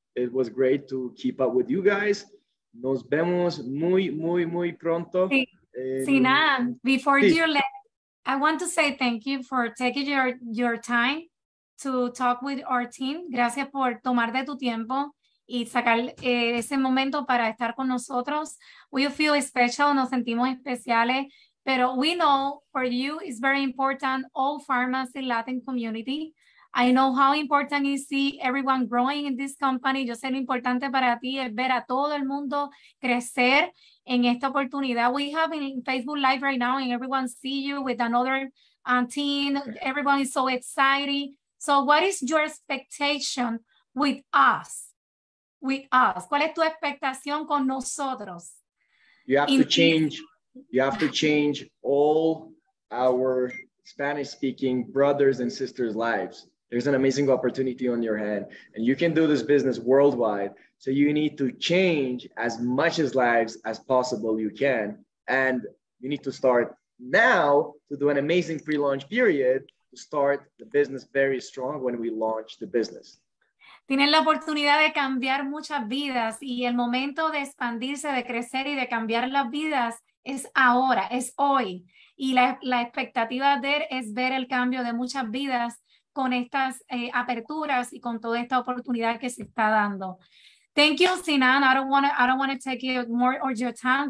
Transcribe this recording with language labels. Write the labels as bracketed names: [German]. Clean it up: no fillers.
[English] It was great to keep up with you guys. [Spanish] Nos vemos muy, muy, muy pronto. Sí. [English] Sinan, before you leave, I want to say thank you for taking your time to talk with our team. [Spanish] Gracias por tomar de tu tiempo y sacar ese momento para estar con nosotros. [English] We feel special, [Spanish] nos sentimos especiales. [English] Pero we know for you it's very important, all pharmacy Latin community. I know how important is see everyone growing in this company. [Spanish] Yo sé lo importante para ti es ver a todo el mundo crecer en esta oportunidad. [English] We have in Facebook Live right now and everyone see you with another team. Everyone is so excited. So what is your expectation with us? With us. [Spanish] ¿Cuál es tu expectación con nosotros? [English] You have to change all our Spanish-speaking brothers and sisters' lives. There's an amazing opportunity on your hand, and you can do this business worldwide. So you need to change as much as lives as possible you can. And you need to start now to do an amazing pre-launch period to start the business very strong when we launch the business. [Spanish] Tienen la oportunidad de cambiar muchas vidas y el momento de expandirse, de crecer y de cambiar las vidas es ahora, es hoy. Y la expectativa de él es ver el cambio de muchas vidas con estas aperturas y con toda esta oportunidad que se está dando. [English] Thank you, Sinan. I don't want to take you more of your time.